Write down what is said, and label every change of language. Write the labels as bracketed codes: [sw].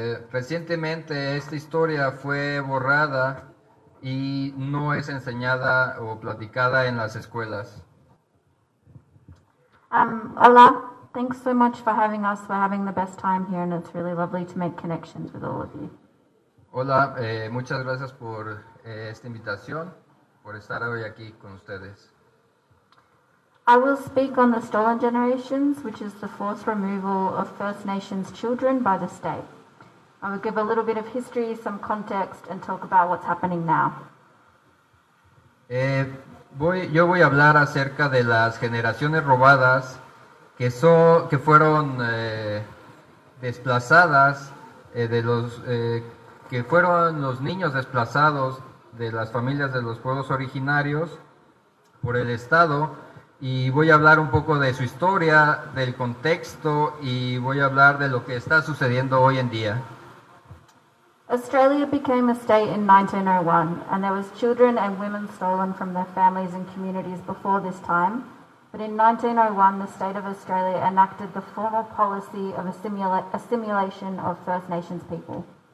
[es] Recientemente esta historia fue borrada y no es enseñada o platicada en las escuelas. [en] Hola, thanks so much for having us. We're having the best time here and it's really lovely to make connections with all of you. [es] Hola, muchas gracias por esta invitación, por estar hoy aquí con ustedes. [en] I will speak on the Stolen Generations, which is the forced removal of First Nations children by the state. I will give a little bit of history, some context, and talk about what's happening now. [es] Yo voy a hablar acerca de las generaciones robadas que fueron los niños desplazados de las familias de los pueblos originarios por el Estado. Y voy a hablar un poco de su historia, del contexto, y voy a hablar de lo que está sucediendo hoy en día. [en] Australia became a state in 1901, and there was children and women stolen from their families and communities before this time. But in 1901, the state of Australia enacted the formal policy of assimilation of First Nations people.